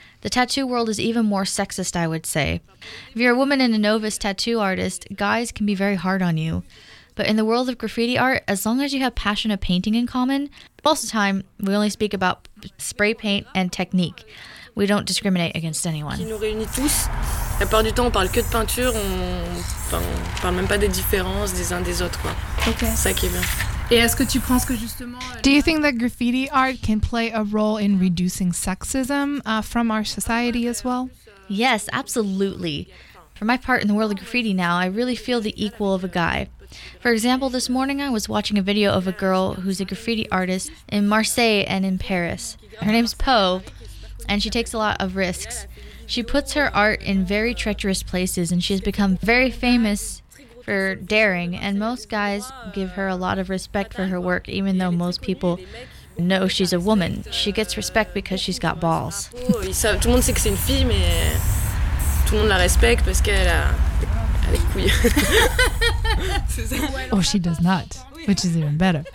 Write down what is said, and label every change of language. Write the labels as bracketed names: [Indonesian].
[English] The tattoo world is even more sexist, I would say. If you're a woman and a novice tattoo artist, guys can be very hard on you. But in the world of graffiti art, as long as you have passion of painting in common, most of the time, we only speak about spray paint and technique. We don't discriminate against anyone. [French] Qui nous réunit tous. La plupart du temps, on parle que de peinture. On parle même pas des différences des uns des autres, quoi. [English] Okay. [French] Ça qui est bien. Et est-ce que tu penses que justement... [English] Do you think that graffiti art can play a role in reducing sexism from our society as well? Yes, absolutely. For my part in the world of graffiti now, I really feel the equal of a guy. For example, this morning I was watching a video of a girl who's a graffiti artist in Marseille and in Paris. Her name's Poe, and she takes a lot of risks. She puts her art in very treacherous places, and she has become very famous for daring, and most guys give her a lot of respect for her work, even though most people know she's a woman. She gets respect because she's got balls. [French] Tout le monde sait que c'est une fille, mais tout le monde la respecte parce qu'elle a... [English] Oh, she does not, which is even better.